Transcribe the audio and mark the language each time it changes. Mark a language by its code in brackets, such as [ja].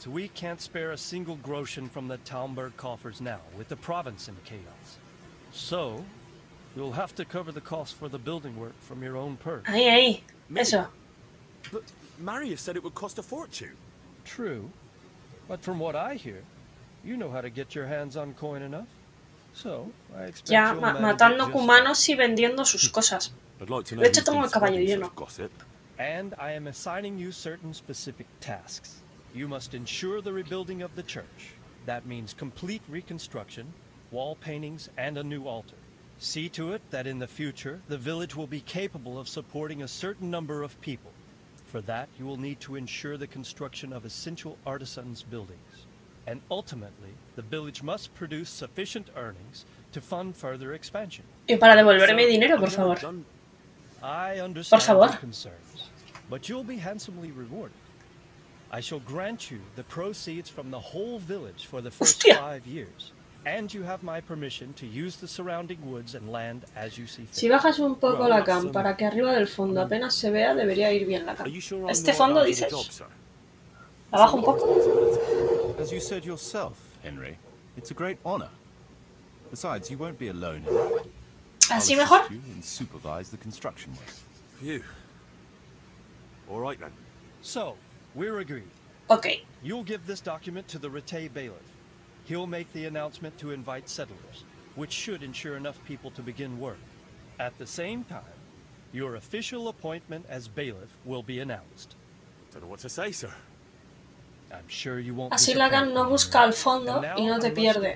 [en] We can't spare a single groschen from the Talmberg coffers now, with the province in chaos. So. You'll have to cover the cost for the building work from your own purse. [es] Ay, ay, eso. [en] But Marius said it would cost a fortune. True. But from what I hear, you know how to get your hands on coin enough. So, I expect you'll manage just... [es] matando cumanos y vendiendo sus cosas. [en] Like [es] de hecho, tengo el caballo lleno. [en] And I am assigning you certain specific tasks. You must ensure the rebuilding of the church. That means complete reconstruction, wall paintings, and a new altar. See to it that in the future the village will be capable of supporting a certain number of people. For that, you will need to ensure the construction of essential artisans' buildings. And ultimately, the village must produce sufficient earnings to fund further expansion. [es] Y para devolverme dinero, por favor. [en] I understand your concerns, but you'll be handsomely rewarded. I shall grant you the proceeds from the whole village for the first 5 years. And you have my permission to use the surrounding woods and land as you see fit. [es] Si bajas un poco la cam para que arriba del fondo apenas se vea, debería ir bien la cam. ¿Este fondo dices? ¿La bajo un poco? [en] As you said yourself, Henry, it's a great honor. Besides, you won't be alone in it. [es] ¿Así mejor? [en] You and supervise the construction work. Phew. All right then. So, we're agreed. Okay. You'll give this document to the Rattay bailiff. He'll make the announcement to invite settlers, which should ensure enough people to begin work. At the same time, your official appointment as bailiff will be announced. I don't know what to say, sir. I'm sure you won't. [es] Así Lagan no busca al fondo y no te pierde.